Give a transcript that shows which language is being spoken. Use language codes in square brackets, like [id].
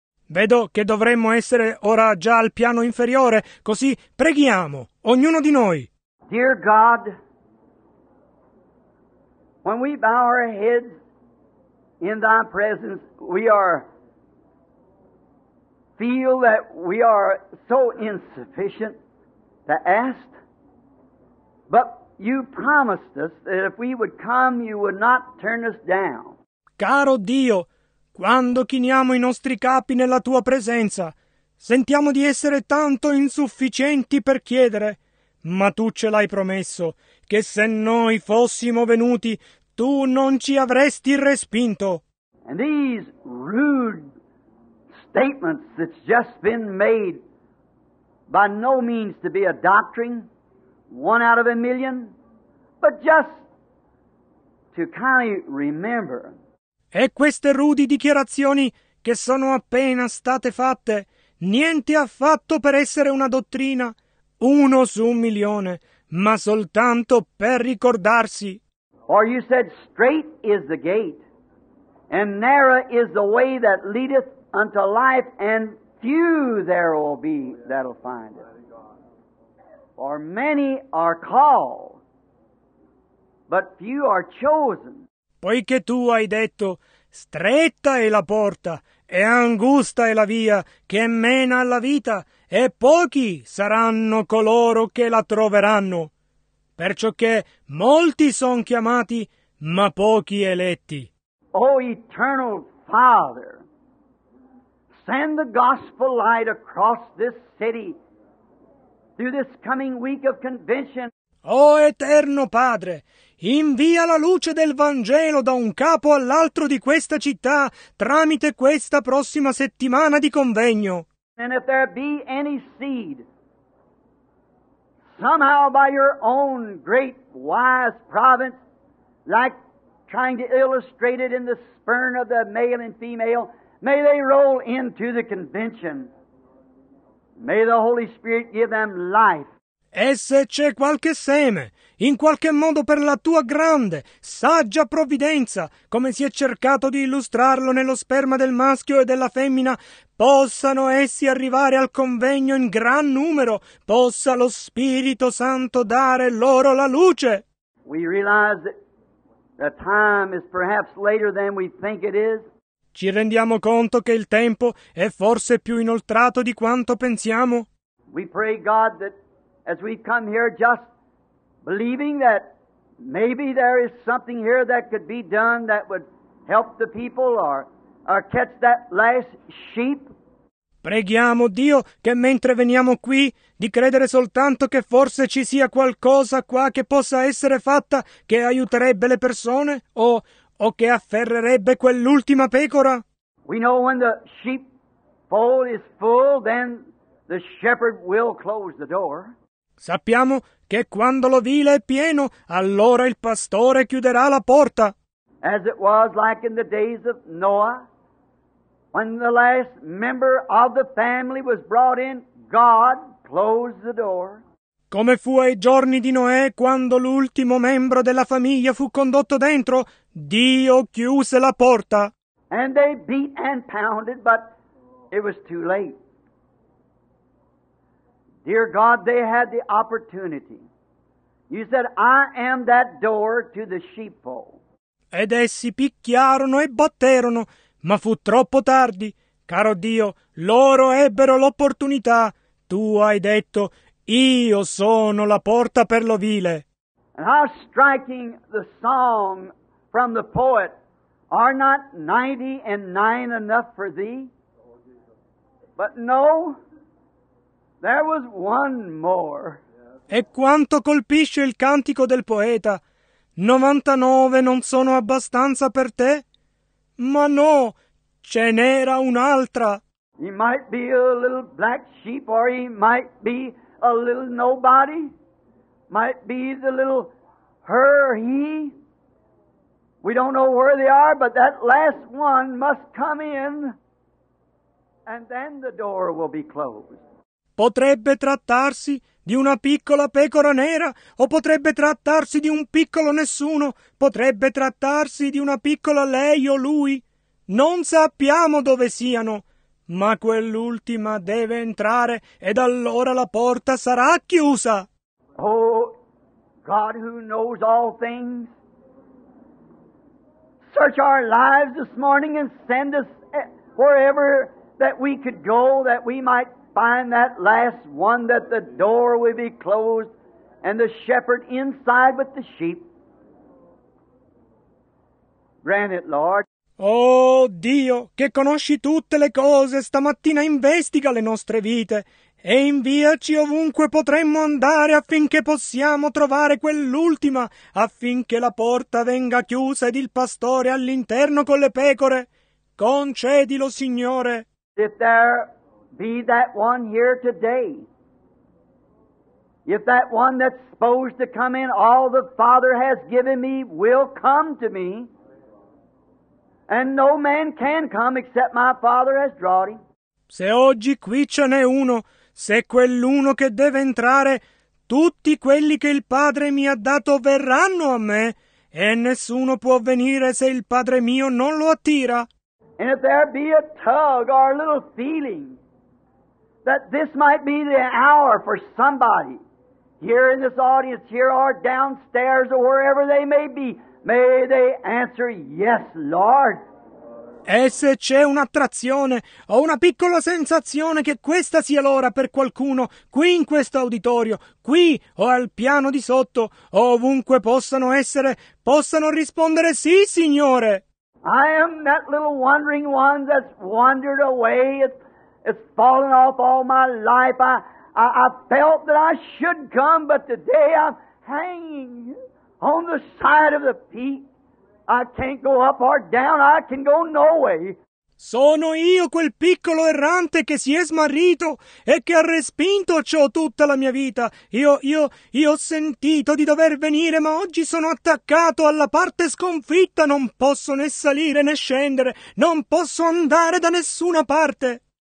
[it] Vedo che dovremmo essere ora già al piano inferiore, così preghiamo, ognuno di noi. [en] Dear God, when we bow our heads in Thy presence, we feel that we are so insufficient to ask. But You promised us that if we would come, You would not turn us down. [it] Caro Dio, quando chiniamo i nostri capi nella Tua presenza, sentiamo di essere tanto insufficienti per chiedere. Ma Tu ce l'hai promesso, che se noi fossimo venuti, Tu non ci avresti respinto. [en] And these rude statements that's just been made, by no means to be a doctrine, one out of a million, but just to kindly remember. [it] E queste rudi dichiarazioni che sono appena state fatte, niente affatto per essere una dottrina, uno su un milione, ma soltanto per ricordarsi. [en] Or you said, straight is the gate, and narrow is the way that leadeth unto life, and few there will be that'll find it. For many are called, but few are chosen. [it] Poiché Tu hai detto, stretta è la porta, e angusta è la via che mena alla vita, e pochi saranno coloro che la troveranno. Perciò che molti son chiamati, ma pochi eletti. [en] O Eternal Father, send the gospel light across this city through this coming week of convention. [it] O Eterno Padre, invia la luce del Vangelo da un capo all'altro di questa città tramite questa prossima settimana di convegno. [en] And if there be any seed, somehow by your own great wise providence, like trying to illustrate it in the spurn of the male and female, may they roll into the convention. May the Holy Spirit give them life. [it] E se c'è qualche seme, in qualche modo per la Tua grande, saggia provvidenza, come si è cercato di illustrarlo nello sperma del maschio e della femmina, possano essi arrivare al convegno in gran numero, possa lo Spirito Santo dare loro la luce. [en] We realize that the time is perhaps later than we think it is. [it] Ci rendiamo conto che il tempo è forse più inoltrato di quanto pensiamo. [en] We pray God that as we come here just believing that maybe there is something here that could be done that would help the people or catch that last sheep. [it] Preghiamo Dio che mentre veniamo qui di credere soltanto che forse ci sia qualcosa qua che possa essere fatta che aiuterebbe le persone o che afferrerebbe quell'ultima pecora. [en] We know when the sheep fold is full, then the shepherd will close the door. [it] Sappiamo che quando l'ovile è pieno, allora il pastore chiuderà la porta. [en] As it was like in the days of Noah, when the last member of the family was brought in, God closed the door. [it] Come fu ai giorni di Noè, quando l'ultimo membro della famiglia fu condotto dentro, Dio chiuse la porta. [en] And they beat and pounded, but it was too late. Dear God, they had the opportunity. You said, I am that door to the sheepfold. [it] Ed essi picchiarono e batterono, ma fu troppo tardi. Caro Dio, loro ebbero l'opportunità. Tu hai detto, io sono la porta per l'ovile. [en] And how striking the song from the poet, are not 99 enough for thee? But no, there was one more. [it] E quanto colpisce il cantico del poeta. 99 non sono abbastanza per te? Ma no, ce n'era un'altra. [en] He might be a little black sheep, or he might be a little nobody. Might be the little her or he. We don't know where they are, but that last one must come in, and then the door will be closed. [it] Potrebbe trattarsi di una piccola pecora nera, o potrebbe trattarsi di un piccolo nessuno, potrebbe trattarsi di una piccola lei o lui. Non sappiamo dove siano, ma quell'ultima deve entrare ed allora la porta sarà chiusa. Oh, [en] God who knows all things, search our lives this morning and send us wherever that we could go, that we might find that last one, that the door would be closed and the shepherd inside with the sheep. Grant it, Lord. [it] Oh Dio, che conosci tutte le cose, stamattina investiga le nostre vite e inviaci ovunque potremmo andare affinché possiamo trovare quell'ultima, affinché la porta venga chiusa ed il pastore all'interno con le pecore. Concedilo, Signore. [en] If there be that one here today, if that one that's supposed to come in, all the Father has given me will come to me, and no man can come except my Father has drawn him. [it] Se oggi qui ce n'è uno, se quell'uno che deve entrare, tutti quelli che il Padre mi ha dato verranno a me, e nessuno può venire se il Padre mio non lo attira. [en] And if there be a tug or a little feeling that this might be the hour for somebody here in this audience, here or downstairs or wherever they may be, may they answer, yes, Lord. [it] E se c'è un'attrazione o una piccola sensazione che questa sia l'ora per qualcuno qui in questo auditorio, qui o al piano di sotto, o ovunque possano essere, possano rispondere sì, Signore. [en] I am that little wandering one that's wandered away. It's fallen off all my life. I felt that I should come, but today I'm hanging on the side of the peak. I can't go up or down. I can go no way. [it] Sono io quel piccolo errante che si è smarrito e che ha respinto ciò tutta la mia vita. Io ho sentito di dover venire, ma oggi sono attaccato alla parte sconfitta. Non posso né salire né scendere. Non posso andare da nessuna parte.